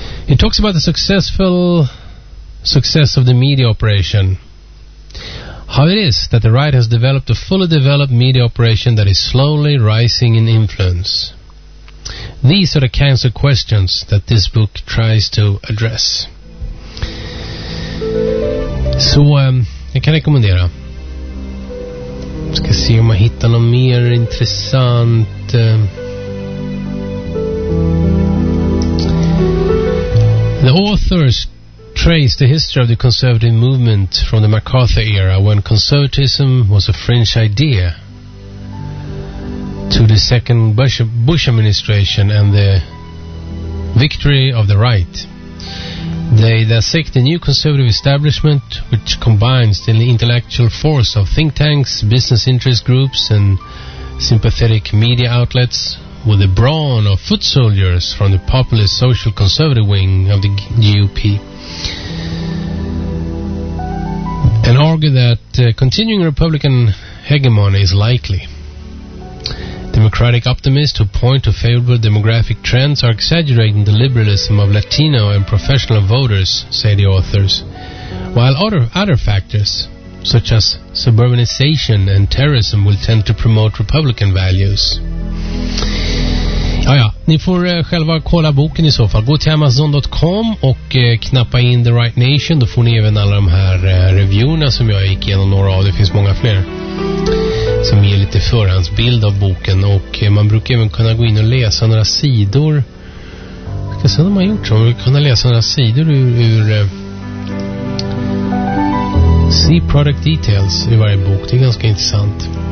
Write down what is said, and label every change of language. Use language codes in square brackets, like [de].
[en] It talks about the success of the media operation. How it is that the right has developed a fully developed media operation that is slowly rising in influence. These are the kinds of questions that this book tries to address. [sv] Så, jag kan rekommendera. Ska se om jag hittar något mer intressant. [en] The authors trace the history of the conservative movement from the MacArthur era, when conservatism was a fringe idea, to the second Bush administration and the victory of the right. They dissect the new conservative establishment, which combines the intellectual force of think tanks, business interest groups, and sympathetic media outlets with the brawn of foot soldiers from the populist social conservative wing of the GOP. And argue that continuing Republican hegemony is likely. Democratic optimists who point to favorable demographic trends are exaggerating the liberalism of Latino and professional voters, say the authors, while other factors, such as suburbanization and terrorism, will tend to promote Republican values. [sv] Ja, ni får själva kolla boken i så fall. Gå till Amazon.com och knappa in The Right Nation. Då får ni även alla de här reviewerna som jag gick igenom några av. Det finns många fler som ger lite förhandsbild av boken. Och man brukar även kunna gå in och läsa några sidor. Ska se om man gjort så. Man brukar kunna läsa några sidor ur See Product Details i varje bok. Det är ganska intressant.